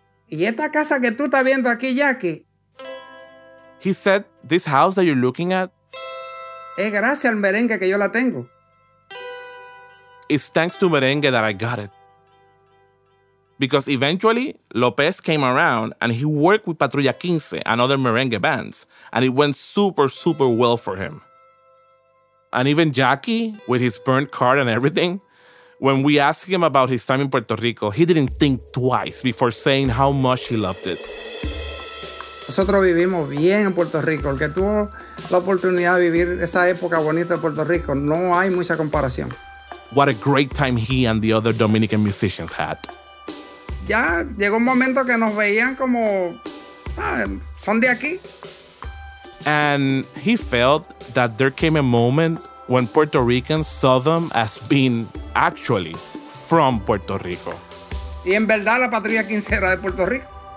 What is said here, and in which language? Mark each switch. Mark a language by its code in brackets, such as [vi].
[es] Y esta casa que tú estás viendo aquí, Jackie. [en] He said, this house that you're looking at, [es] es gracias al merengue que yo la tengo. [en] It's thanks to merengue that I got it. Because eventually, Lopez came around and he worked with Patrulla 15 and other merengue bands, and it went super, super well for him. And even Jackie, with his burnt card and everything, when we asked him about his time in Puerto Rico, he didn't think twice before saying how much he loved it. [es] Nosotros vivimos bien en Puerto Rico. El que tuvo la oportunidad de vivir esa época bonita de Puerto Rico, no hay mucha comparación. [en] What a great time he and the other Dominican musicians had. [es] Ya llegó un momento que nos veían como, ¿saben? Son de aquí. [en] And he felt that there came a moment when Puerto Ricans saw them as being actually from Puerto Rico. [es] Y en verdad la patria quincera de Puerto Rico.